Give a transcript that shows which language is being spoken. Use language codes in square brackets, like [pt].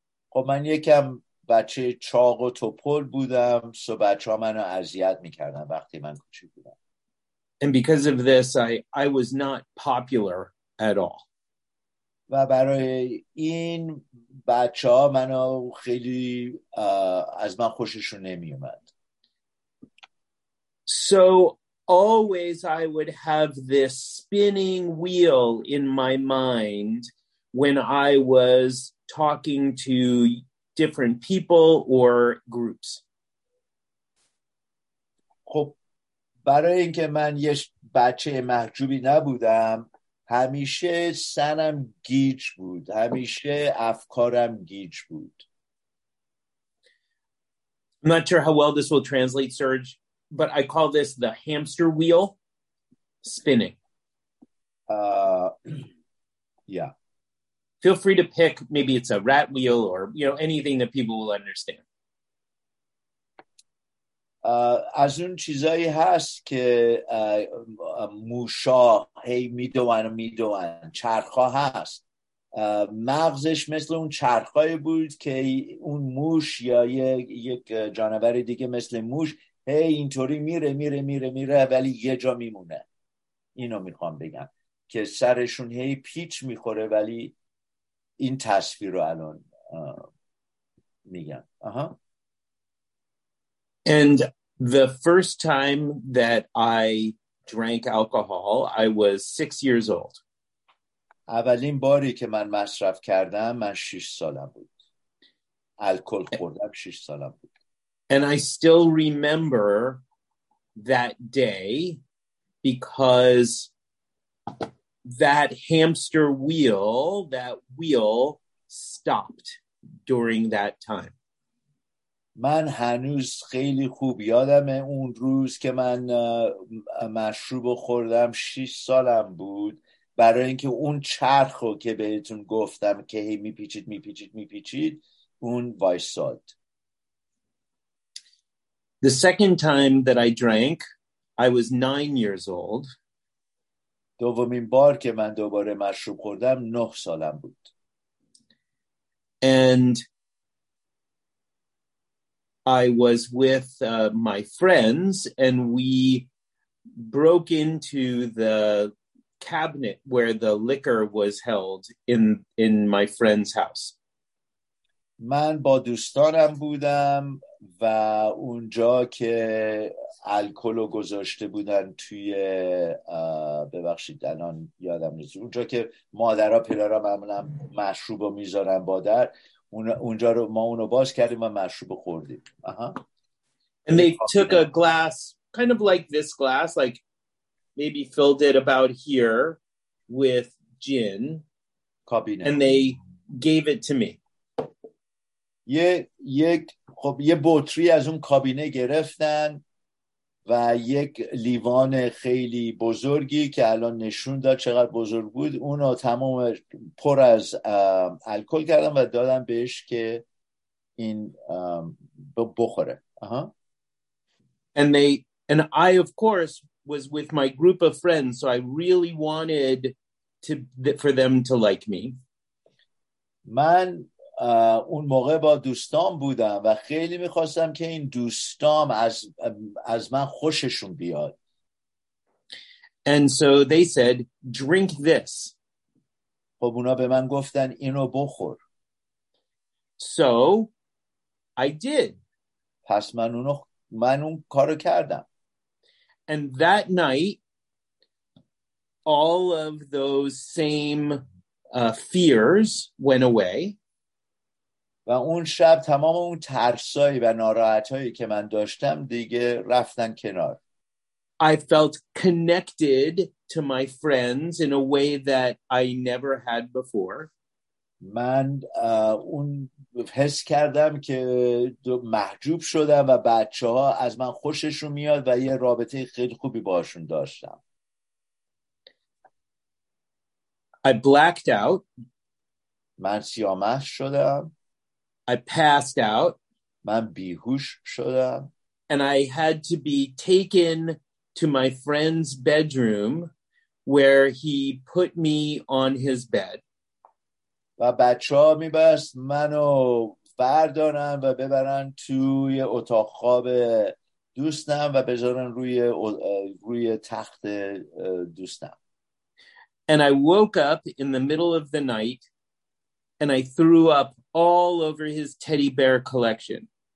[fa] خب من یکم بچه چاق و توپل بودم سو بچه ها منو اذیت میکردن وقتی من کوچیک بودم. [en] And because of this I was not popular at all. [fa] و برای این بچه ها منو خیلی از من خوششون نمی اومد. [en] So always I would have this spinning wheel in my mind when I was talking to different people or groups. [fa] خب برای اینکه من یه بچه محجوبی نبودم همیشه سنم گیج بود، همیشه افکارم گیج بود. [en] I'm not sure how well this will translate, Serge, but I call this the hamster wheel spinning. Yeah. Feel free to pick, maybe it's a rat wheel or, you know, anything that people will understand. [fa] از اون چیزایی هست که موشا هی میدون و میدون چرخا هست. مغزش مثل اون چرخایی بود که اون موش یا یک جانور دیگه مثل موش هی اینطوری میره میره میره میره ولی یه جا میمونه. اینو میخوام بگم که سرشون هی پیچ میخوره ولی این تصویر رو الان میگم. [en] And the first time that I drank alcohol, I was 6 years old. [fa] اولین باری که من مصرف کردم من 6 سالم بود. الکل خوردم 6 سالم بود. [en] And I still remember that day because that hamster wheel, that wheel stopped during that time. [fa] من هنوز خیلی خوب یادمه اون روز که من مشروب خوردم 6 سالم بود برای اینکه اون چرخو که بهتون گفتم که هی میپیچید میپیچید میپیچید اون وایساد. [en] The second time that I drank I was 9 years old. [fa] دومین بار که من دوباره مشروب خوردم 9 سالم بود. [en] And I was with my friends and we broke into the cabinet where the liquor was held in my friend's house. [fa] من با دوستانم بودم و اونجا که الکلو گذاشته بودن توی ببخشید الان یادم نیست اونجا که مادر و پدر معمولا مشروب میذارن با در اونجا رو ما اونو باز کردیم و مشروب خوردیم. [en] And they took a glass kind of like this glass, like maybe filled it about here with gin. [fa] کابینه. [en] And they gave it to me. [fa] یه بطری از اون کابینه گرفتن و یک لیوان خیلی بزرگی که الان نشون داد چقدر بزرگ بود اونو تمام پر از الکل کردم و دادم بهش که این بخوره. [en] And I of course was with my group of friends so I really wanted for them to like me. [fa] من اون موقع با دوستان بودم و خیلی میخواستم که این دوستام از من خوششون بیاد. [en] And so they said, drink this. [fa] خب اونا به من گفتن اینو بخور. [en] So I did. [fa] پس من اون کارو کردم. [en] And that night, all of those same fears went away. [fa] و اون شب تمام اون ترسایی و ناراحتایی که من داشتم دیگه رفتن کنار. [en] I felt connected to my friends in a way that I never had before. [fa] من اون حس کردم که محجوب شدم و بچه‌ها از من خوششون میاد و یه رابطه خیلی خوبی باهاشون داشتم. [en] I blacked out. [fa] من سیاه‌مغز شدم. [en] I passed out. [fa] من بیهوش شدم. [en] And I had to be taken to my friend's bedroom where he put me on his bed. [fa] و بچه ها میبست منو بردارن و ببرن توی اتاق خواب دوستم و بذارن روی تخت دوستم. [en] And I woke up in the middle of the night and I threw up all over his teddy bear collection.